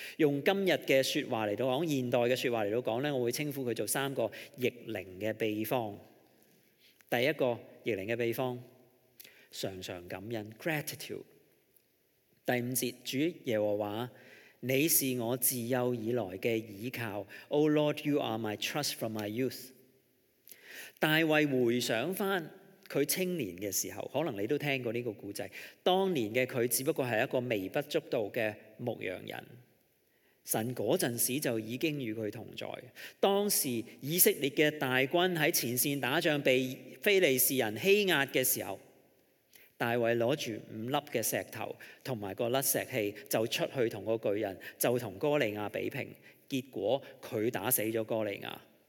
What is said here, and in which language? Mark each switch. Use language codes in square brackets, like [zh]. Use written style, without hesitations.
[yue] 用今日嘅说话嚟到讲，现代嘅说话嚟到讲咧，我会称呼佢做三个逆灵嘅秘方。第一个逆灵嘅秘方。常常感恩 gratitude。第五节，主耶和华，你是我自幼以来的倚靠。 [en] O Lord, you are my trust from my youth。 [yue] 大卫回想翻他青年的时候，可能你都听过这个故事，当年的他只不过是一个微不足道的牧羊人，神那阵时就已经与他同在。当时以色列的大军在前线打仗，被非利士人欺压的时候，大卫拿着五粒的石头和一个粒石器，就出去跟个巨人，就跟哥利亚比拼，结果他打死了哥利亚。